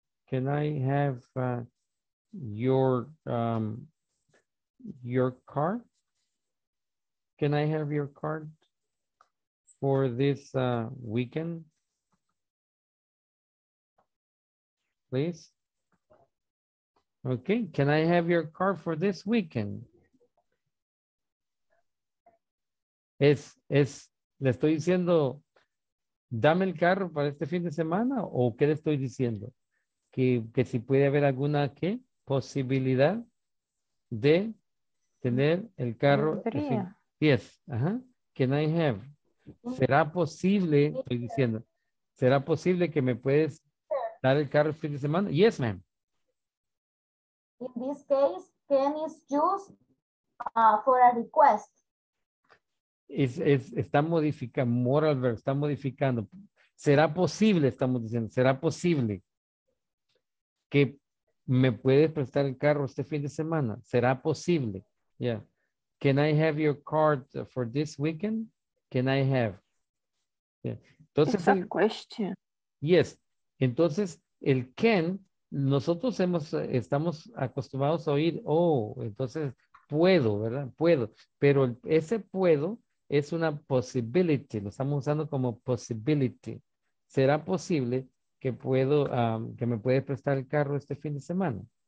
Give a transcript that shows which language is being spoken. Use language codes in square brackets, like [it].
[en] Can I have your card for this weekend, please? Okay, can I have your car for this weekend? [es] ¿Le estoy diciendo, dame el carro para este fin de semana? ¿O qué le estoy diciendo? Que si puede haber alguna, ¿qué? Posibilidad de tener el carro. [en] Yes, [es] ajá. [en] Can I have? [es] ¿Será posible? Estoy diciendo, ¿será posible que me puedes dar el carro el fin de semana? [en] Yes, ma'am. In this case, can is used for a request. [es] Está modificando, modal verb, está modificando. ¿Será posible? Estamos diciendo, ¿será posible que me puedes prestar el carro este fin de semana? ¿Será posible? Yeah. [en] Can I have your card for this weekend? Can I have? [es] Entonces, [en] it's a question. Yes. [es] Entonces, el can, nosotros estamos acostumbrados a oír, oh, entonces puedo, ¿verdad? Puedo. Pero ese puedo es una possibility. Lo estamos usando como possibility. ¿Será posible que puedo, que me puedes prestar el carro este fin de semana?